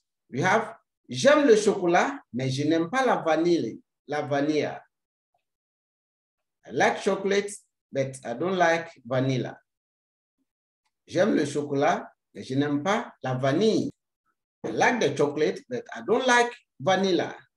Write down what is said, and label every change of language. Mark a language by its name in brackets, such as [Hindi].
[English] We have, [French] j'aime le chocolat, mais je n'aime pas la vanille, la vanilla. [English] I like chocolate, but I don't like vanilla. [French] J'aime le chocolat, mais je n'aime pas la vanille. [English] I like the chocolate, but I don't like vanilla.